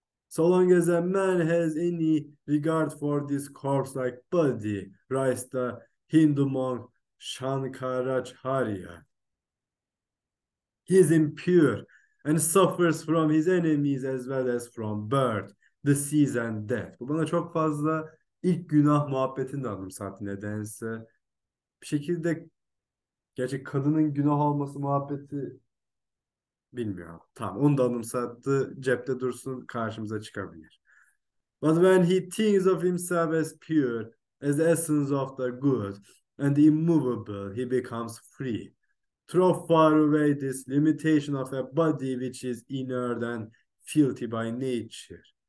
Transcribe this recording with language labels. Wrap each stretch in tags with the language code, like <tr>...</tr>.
<en>So long as a man has any regard for this corpse-like body, writes the Hindu monk Shankaracharya, he is impure and suffers from his enemies as well as from birth, disease and death.</en> <tr>Bu bana çok fazla ilk günah muhabbetini de anımsattı nedense. Bir şekilde gerçi kadının günah olması muhabbeti bilmiyorum. Tamam onu da anımsattı. Cepte dursun karşımıza çıkabilir.</tr> <en>But when he thinks of himself as pure, as the essence of the good and the immovable, he becomes free. Throw far away this limitation of a body which is inert and filthy by nature.</en>